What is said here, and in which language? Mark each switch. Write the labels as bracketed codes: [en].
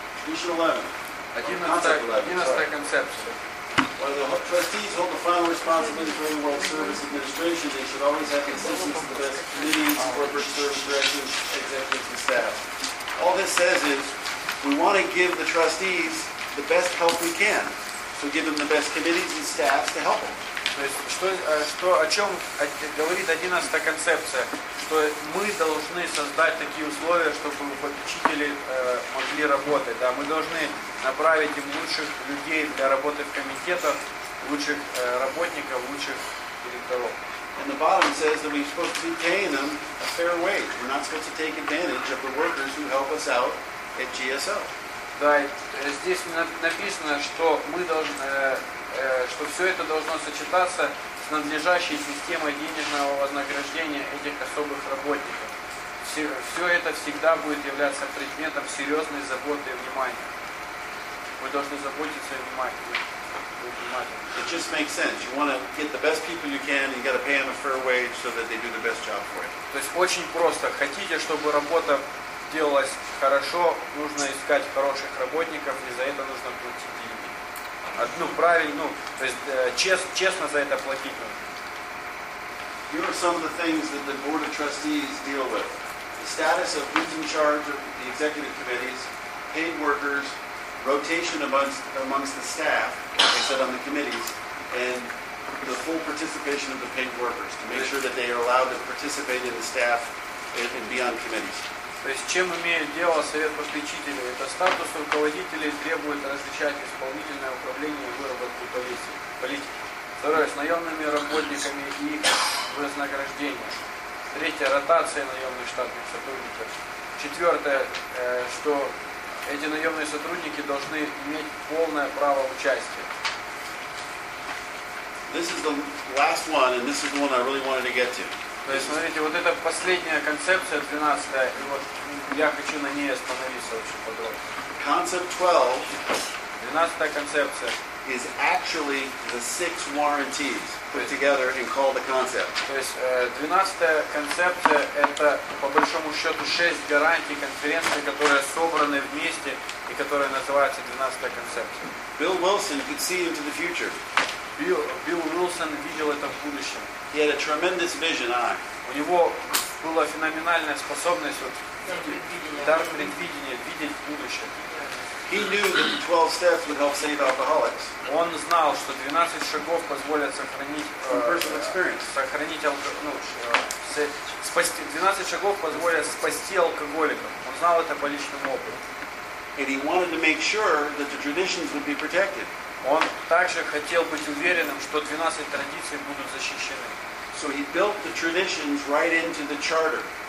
[en] All this says is we want to give the trustees the best help we can, so give them the best committees and staffs to help them. [ru] То есть о чем говорит 11-я концепция, что мы должны создать такие условия, чтобы попечители могли работать. Да, мы должны направить им лучших людей для работы в комитетах, лучших работников, лучших директоров. [en] And the bottom says that we're supposed to be paying them a fair wage. We're not supposed to take advantage of the workers who help us out at GSO. [ru] Да, здесь написано, что мы должны, что все это должно сочетаться с надлежащей системой денежного вознаграждения этих особых работников. Все, все это всегда будет являться предметом серьезной заботы и внимания. Вы должны заботиться и внимательно. [en] It just makes sense. You want to get the best people you can, you got to pay them a fair wage so that they do the best job for you. [ru] То есть очень просто. Хотите, чтобы работа делалась хорошо, нужно искать хороших работников, и за это нужно платить деньги. Ну, правильно, ну, то есть честно за это платить нужно. [en] Here are some of the things that the Board of Trustees deal with. The status of who's in charge of the executive committees, paid workers, rotation amongst the staff, like I said, on the committees, and the full participation of the paid workers to make sure that they are allowed to participate in the staff and be on committees. [ru] То есть, чем имеет дело совет попечителей? Это статус руководителей требует различать исполнительное управление и выработку политики. Второе, с наемными работниками и их вознаграждение. Третье, ротация наемных штатных сотрудников. Четвертое, что эти наемные сотрудники должны иметь полное право участия. [en] This is the last one, and this is the one I really wanted to get to. [ru] То есть, смотрите, вот эта последняя концепция, 12-я, и вот я хочу на ней остановиться очень подробно. [en] Concept 12, [ru] 12-я концепция, [en] is actually the six warranties put together and called a concept. [ru] То есть, 12-я концепция, это, по большому счету, 6 гарантий конференции, которые собраны вместе и которые называются 12-я концепция. [en] Bill Wilson could see into the future. [ru] Билл Уилсон видел это в будущем. [en] He had a tremendous vision eye. [ru] У него была феноменальная способность вот, дар предвидения, видеть будущее. [en] He knew that the 12 steps would help save alcoholics. [ru] Он знал, что 12 шагов позволят спасти 12 шагов позволят спасти алкоголиков. Он знал это по личному опыту. [en] And he wanted to make sure that the traditions would be protected. [ru] Он также хотел быть уверенным, что 12 традиций будут защищены. [en] So he built the traditions right into the charter.